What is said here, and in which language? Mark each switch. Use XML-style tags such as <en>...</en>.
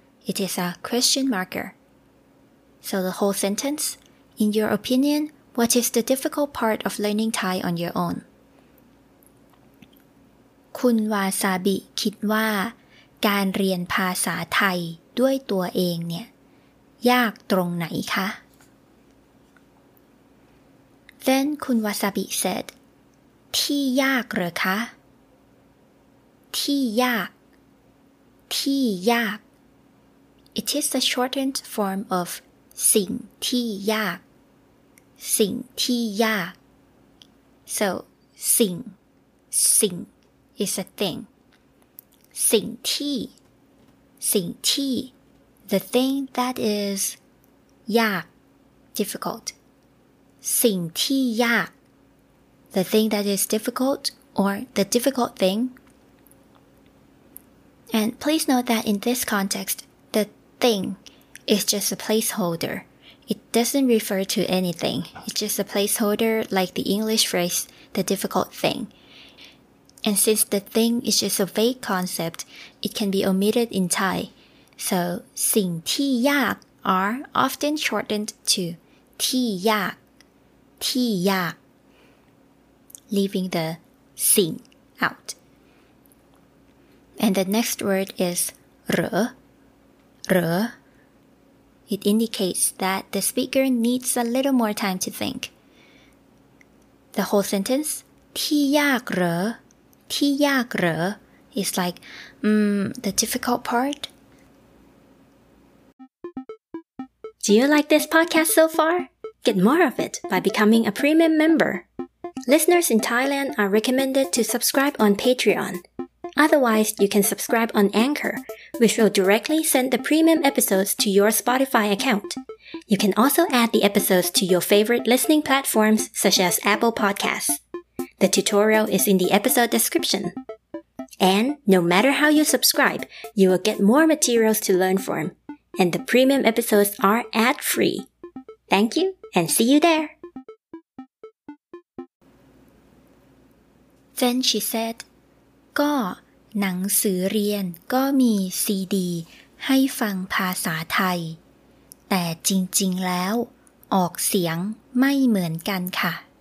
<en>It is a question marker. So the whole sentence, in your opinion, What is the difficult part of learning Thai on your own?</en> <th>คุณวาซาบิคิดว่าการเรียนภาษาไทยด้วยตัวเองเนี่ยยากตรงไหนคะ</th> <en>Then คุณวาซาบิ said</en> <th>ที่ยากเหรอคะ ที่ยากที่ยาก</th> <en>It is a shortened form of</en> <th>สิ่งที่ยาก สิ่งที่ยาก</th> <en>So</en> <th>สิ่งสิ่งis</th> <en>a thing.</en> <th>สิ่งที่สิ่งที่</th> <en>the thing that is</en> <th>ยาก</th> <en>difficult.</en> <th>สิ่งที่ยาก</th> <en>the thing that is difficult or the difficult thing. And please note that in this context, the thing is just a placeholder. It doesn't refer to anything. It's just a placeholder like the English phrase the difficult thing. And since the thing is just a vague concept, it can be omitted in Thai. So,</en> <th>สิ่งที่ยาก</th> <en>are often shortened to</en> <th>ที่ยากที่ยาก</th> <en>leaving the</en> <th>สิ่ง</th> <en>out. And the next word is</en> <th>เหรอ เหรอ</th> <en>It indicates that the speaker needs a little more time to think. The whole sentence,</en> <th>ที่ยากเหรอที่ยากเหร</th> <en>อ is like the difficult part. Do you like this podcast so far? Get more of it by becoming a premium member. Listeners in Thailand are recommended to subscribe on Patreon. Otherwise, you can subscribe on Anchor, which will directly send the premium episodes to your Spotify account. You can also add the episodes to your favorite listening platforms such as Apple Podcasts. The tutorial is in the episode description. And no matter how you subscribe, you will get more materials to learn from. And the premium episodes are ad-free. Thank you, and see you there! Then she said,</en> <th>ก็หนังสือเรียนก็มีซีดีให้ฟังภาษาไทยแต่จริงๆแล้วออกเสียงไม่เหมือนกันค่ะ</th>